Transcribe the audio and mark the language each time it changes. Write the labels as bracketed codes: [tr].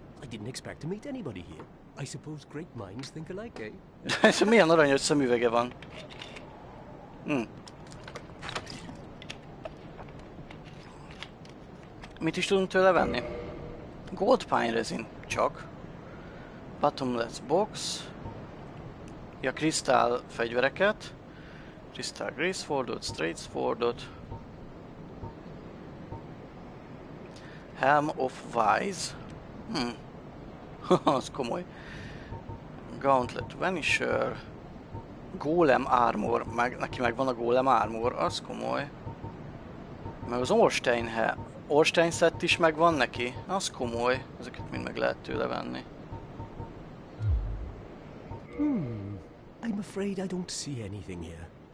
[en] I didn't expect to meet anybody here. I suppose great minds think alike, eh? [hu] Ez milyen aranyos szemüvege van. Mit is tudunk tőle venni? Gold Pine Resin csak. Bottomless Box. Ja, Crystal fegyvereket. Crystal Greatswordot, Straight Swordot. Helm of Wise. Az komoly. Gauntlet Vanisher. Golem Armor. Neki meg van a Golem Armor. Az komoly. Meg az Ornsteinhe. Ornstein szett is megvan neki? Az komoly. Ezeket mind meg lehet tőle venni. [en] I'm afraid I don't see anything here.